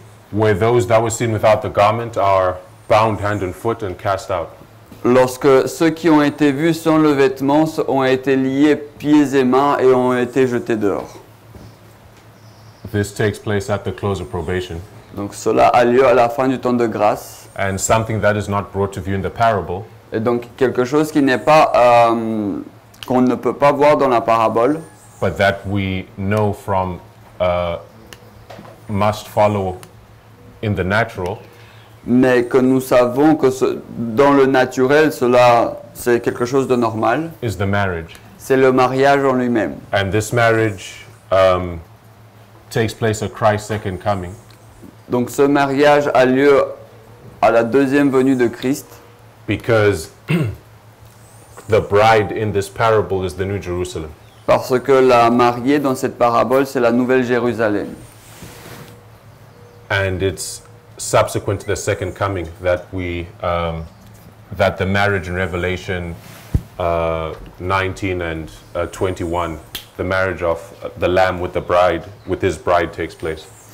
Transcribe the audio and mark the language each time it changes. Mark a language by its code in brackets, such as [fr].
[en] Where those that were seen without the garment are bound hand and foot and cast out. [fr] Lorsque ceux qui ont été vus sans le vêtement ont été liés pieds et mains et ont été jetés dehors. [en] This takes place at the close of probation. [fr] Donc cela a lieu à la fin du temps de grâce. [en] And something that is not brought to view in the parable. [fr] Et donc quelque chose qui n'est pas qu'on ne peut pas voir dans la parabole. [en] But that we know from must follow in the natural, [fr] mais que nous savons que ce, dans le naturel, cela c'est quelque chose de normal. [en] Is the marriage. [fr] C'est le mariage en lui-même. [en] And this marriage takes place at Christ's second coming. [fr] Donc ce mariage a lieu à la deuxième venue de Christ. [en] Because the bride in this parable is the New Jerusalem. [fr] Parce que la mariée dans cette parabole c'est la Nouvelle Jérusalem. [en] And it's subsequent to the second coming that we that the marriage in Revelation 19 and 21, the marriage of the Lamb with the bride, with his bride, takes place.